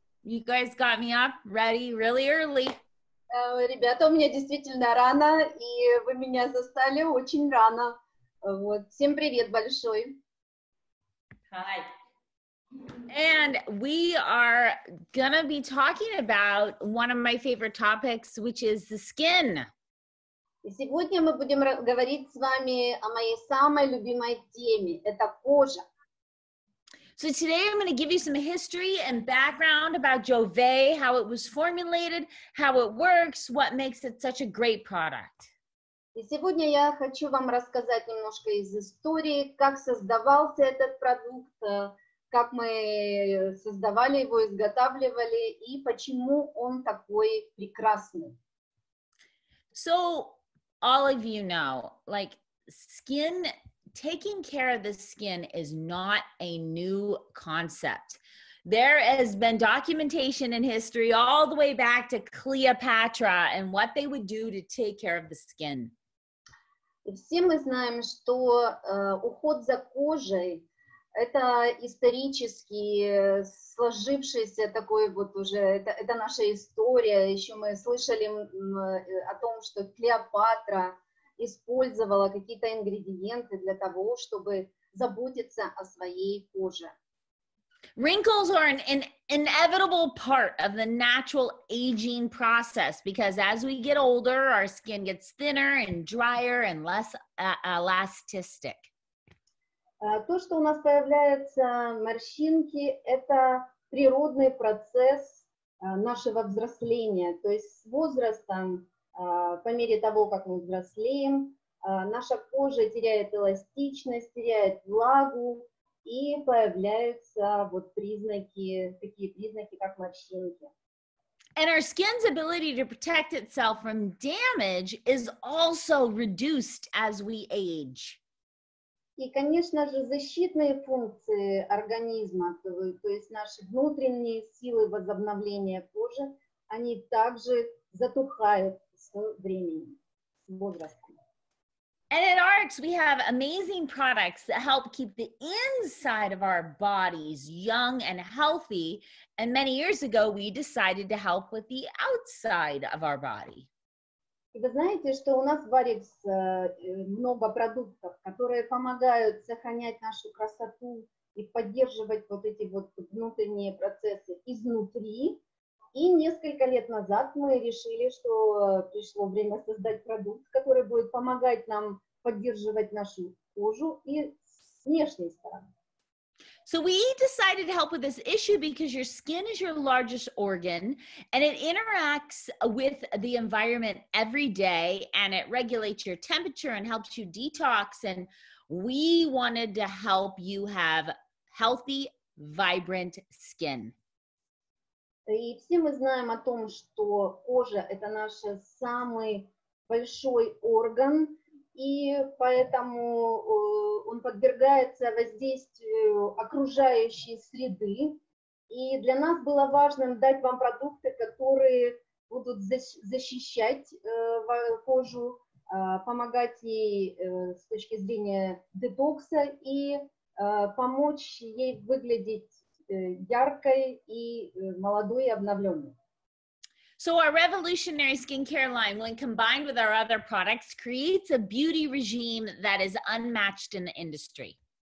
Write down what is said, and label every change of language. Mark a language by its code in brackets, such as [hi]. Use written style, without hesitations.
[en] You guys got me up ready really early. [ru] Ребята, у меня действительно рано, и вы меня застали очень рано. Вот. Всем привет большой. [en] Hi. And we are gonna be talking about one of my favorite topics, which is the skin. [ru] Сегодня мы будем говорить с вами о моей самой любимой теме – это кожа. [en] So today I'm gonna give you some history and background about Jouve, how it was formulated, how it works, what makes it such a great product. [ru] И сегодня я хочу вам рассказать немножко из истории, как создавался этот продукт, как мы создавали его, изготавливали, и почему он такой прекрасный. [en] So, all of you know, like, skin, taking care of the skin is not a new concept. There has been documentation in history all the way back to Cleopatra and what they would do to take care of the skin. [ru] И все мы знаем, что уход за кожей это исторически сложившийся такой вот уже, это наша история. Еще мы слышали о том, что Клеопатра использовала какие-то ингредиенты для того, чтобы заботиться о своей коже. [en] Wrinkles are an inevitable part of the natural aging process because as we get older, our skin gets thinner and drier and less elastic. [ru] То, что у нас появляются морщинки, это природный процесс нашего взросления. То есть с возрастом, по мере того, как мы взрослеем, наша кожа теряет эластичность, теряет влагу, и появляются вот признаки, такие признаки, как морщинки. [en] And our skin's ability to protect itself from damage is also reduced as we age. [ru] И, конечно же, защитные функции организма, то есть наши внутренние силы возобновления кожи, они также затухают с временем, с возрастом. [en] And at Ariix, we have amazing products that help keep the inside of our bodies young and healthy. And many years ago, we decided to help with the outside of our body. [ru] Вы знаете, что у нас в Ariix много продуктов, которые помогают сохранять нашу красоту и поддерживать вот эти вот внутренние процессы изнутри. И несколько лет назад мы решили, что пришло время создать продукт, который будет помогать нам поддерживать нашу кожу и с внешней стороны. [en] So we decided to help with this issue because your skin is your largest organ and it interacts with the environment every day and it regulates your temperature and helps you detox. And we wanted to help you have healthy, vibrant skin. [ru] И все мы знаем о том, что кожа – это наш самый большой орган, и поэтому он подвергается воздействию окружающей среды. И для нас было важным дать вам продукты, которые будут защищать кожу, помогать ей с точки зрения детокса и помочь ей выглядеть яркой и молодой, и обновленной. [en] So our revolutionary skincare line, when combined with our other products, creates a beauty regime that is unmatched in the industry.